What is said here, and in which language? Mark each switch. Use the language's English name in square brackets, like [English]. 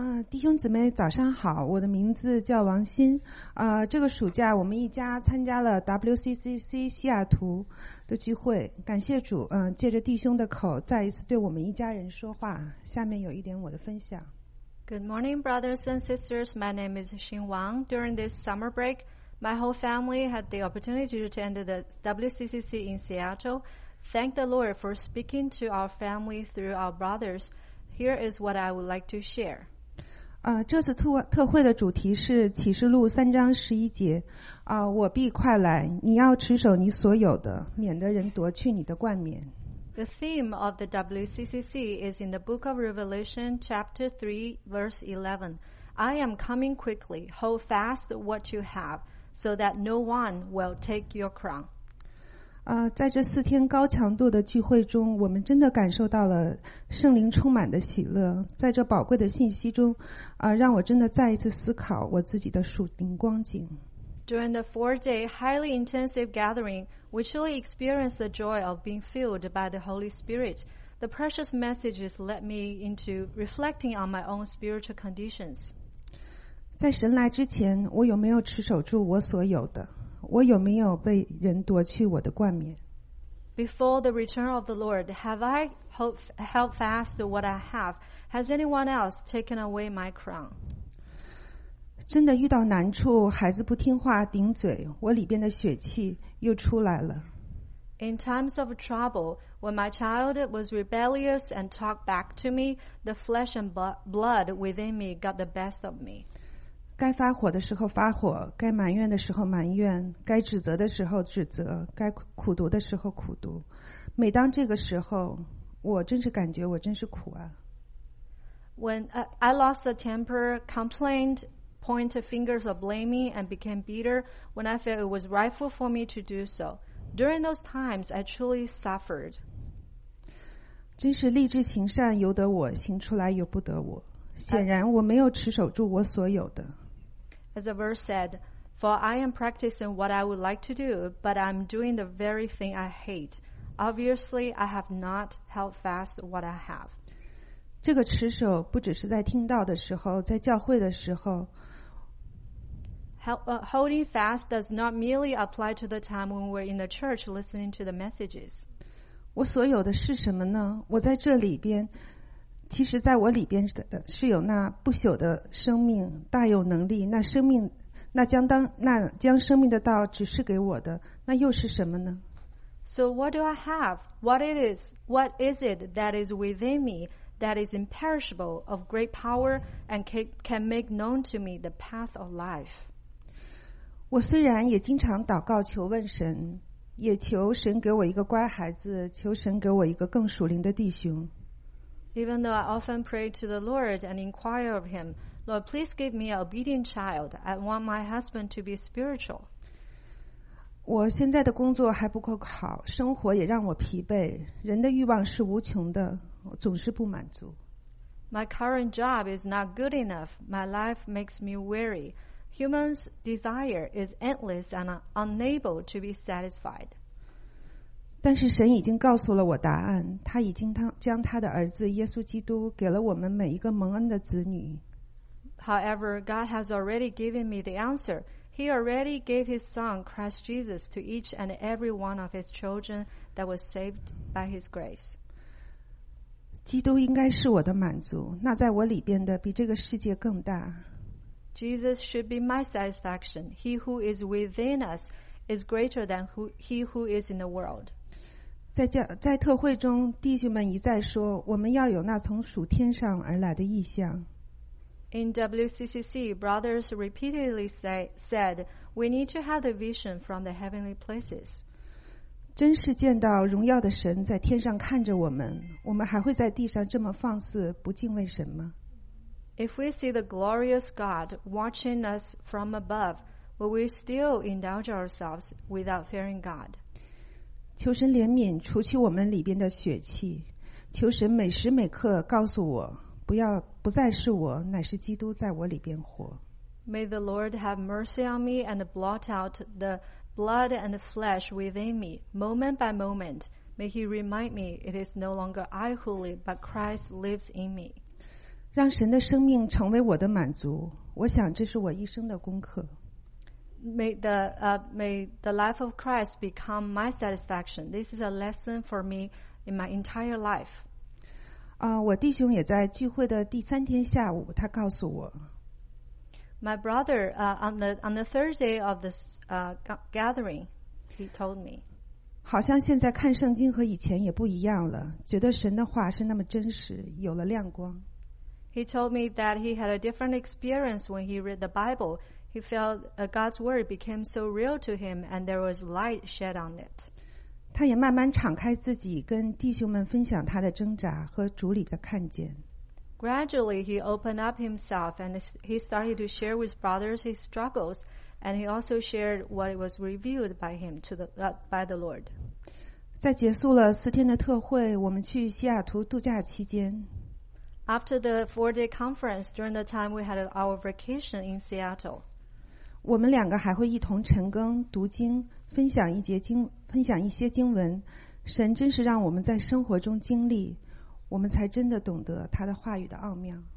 [Chinese] 弟兄姊妹早上好我的名字叫王欣这个暑假我们一家参加了 WCCC 西雅图的聚会感谢主借着弟兄的口再一次对我们一家人说话下面有一点我的分享 [English] Good morning brothers and sisters my name is Xin Wang during this summer break my whole family had the opportunity to attend the WCCC in Seattle thank the Lord for speaking to our family through our brothers here is what I would like to share [Chinese] 这次特会的主题是启示录三章十一节我必快来你要持守你所有的免得人夺去你的冠冕 [English] The theme of the WCCC is in the book of Revelation chapter 3 verse 11 I am coming quickly hold fast what you have so that no one will take your crown [Chinese] 在这四天高强度的聚会中我们真的感受到了圣灵充满的喜乐在这宝贵的信息中让我真的再一次思考我自己的属灵光景 [English] During the 4-day highly intensive gathering we truly experienced the joy of being filled by the Holy Spirit the precious messages led me into reflecting on my own spiritual conditions [Chinese] 在神来之前我有没有持守住我所有的我有没有被人夺去我的冠冕 [English] Before the return of the Lord have I held fast what I haveHas anyone else taken away my crown? [Chinese] 真的遇到难处，孩子不听话顶嘴，我里边的血气又出来了。 [English] In times of trouble, when my child was rebellious and talked back to me, the flesh and blood within me got the best of me. [Chinese] 该发火的时候发火，该埋怨的时候埋怨，该指责的时候指责，该苦读的时候苦读。每当这个时候，我真是感觉我真是苦啊。 [English] When I lost the temper, complained, pointed fingers of blaming, and became bitter when I felt it was rightful for me to do so. During those times, I truly suffered. [Chinese] 真是立志行善由得我，行出来由不得我。显然我没有持守住我所有的。 [English] As the verse said, for I am practicing what I would like to do, but I'm doing the very thing I hate. Obviously, I have not held fast what I have. [Chinese] 这个持守不只是在听到的时候，在教会的时候。 [English] Holding fast does not merely apply to the time when we're in the church listening to the messages. [Chinese] 我所有的是什么呢？我在这里边，其实在我里边的是有那不朽的生命，大有能力。那生命，那将生命的道指示给我的，那又是什么呢？ [English] So what do I have? What is it that is within me that is imperishable, of great power, and can make known to me the path of life? [Chinese] 我虽然也经常祷告求问神，也求神给我一个乖孩子，求神给我一个更属灵的弟兄。 [English] Even though I often pray to the Lord and inquire of Him, Lord, please give me an obedient child. I want my husband to be spiritual. [Chinese] 我现在的工作还不够好，生活也让我疲惫。人的欲望是无穷的，我总是不满足。 [English] My current job is not good enough. My life makes me weary. Human's desire is endless and unable to be satisfied. [Chinese] 但是神已经告诉了我答案，他已经将他的儿子耶稣基督给了我们每一个蒙恩的子女。 [English] However, God has already given me the answer. He already gave His Son, Christ Jesus, to each and every one of His children that was saved by His grace. [Chinese] 基督应该是我的满足，那在我里边的比这个世界更大。 [English] Jesus should be my satisfaction. He who is within us is greater than he who is in the world. [Chinese] 在特会中，弟兄们一再说，我们要有那从属天上而来的意象。 [English] In WCCC, brothers repeatedly said, we need to have the vision from the heavenly places. [Chinese] 真是见到荣耀的神在天上看着我们，我们还会在地上这么放肆，不敬畏神吗？ [English] If we see the glorious God watching us from above, will we still indulge ourselves without fearing God? [Chinese] 求神怜悯，除去我们里边的血气，求神每时每刻告诉我不再是我，乃是基督在我里边活。 [English] May the Lord have mercy on me and blot out the blood and the flesh within me, moment by moment. May He remind me it is no longer I who live, but Christ lives in me. [Chinese] 让神的生命成为我的满足，我想这是我一生的功课。 [English] May the life of Christ become my satisfaction. This is a lesson for me in my entire life. [Chinese] 我弟兄也在聚会的第三天下午，他告诉我。 [English] My brother, on the Thursday of this gathering, he told me. [Chinese] 好像现在看圣经和以前也不一样了，觉得神的话是那么真实，有了亮光。 [English] He told me that he had a different experience when he read the Bible. He felt God's word became so real to him, and there was light shed on it. [Chinese] 他也慢慢敞开自己，跟弟兄们分享他的挣扎和主里的看见。 [English] Gradually, he opened up himself and he started to share with brothers his struggles, and he also shared what was revealed by him by the Lord. [Chinese] 在结束了四天的特会，我们去西雅图度假期间。 [English] After the four-day conference, during the time we had our vacation in Seattle, [Chinese] 我们两个还会一同晨更读经。分享一些经文，神真是让我们在生活中经历，我们才真的懂得他的话语的奥妙。